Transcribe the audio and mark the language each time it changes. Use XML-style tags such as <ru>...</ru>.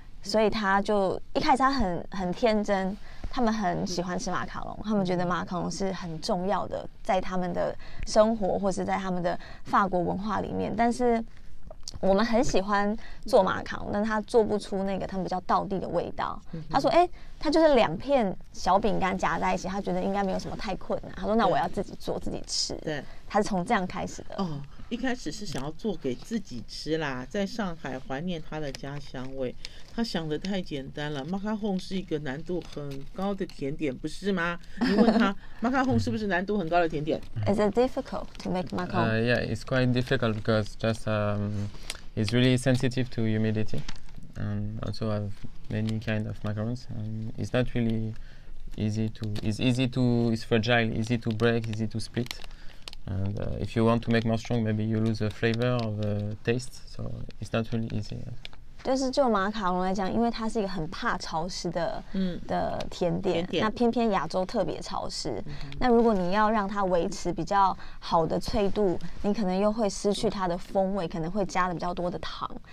<zh>所以他就一开始他很天真，他们很喜欢吃马卡龙，他们觉得马卡龙是很重要的在他们的生活或是在他们的法国文化里面，但是我们很喜欢做马卡龙，但他做不出那个他们比较道地的味道，他说哎，他就是两片小饼干夹在一起，他觉得应该没有什么太困难，他说那我要自己做自己吃，对，他是从这样开始的。哦，一开始是想要做给自己吃啦，在上海怀念他的家乡味，他想的太简单了。马卡龙是一个难度很高的甜点，不是吗？你问他，马卡龙是不是难度很高的甜点</zh> <en>？Is it difficult to make macaron? Yeah, it's quite difficult because just it's really sensitive to humidity, and also have many kind of macarons. It's not really easy to. It's fragile. Easy to break. Easy to split. And if you want to make more strong, maybe you lose the flavor or the taste. So it's not really easy.</en> <zh>就是就马卡龙来讲，因为它是一个很怕潮湿的，的甜点。那偏偏亚洲特别潮湿。那如果你要让它维持比较好的脆度，你可能又会失去它的风味，可能会加了比较多的糖。</zh>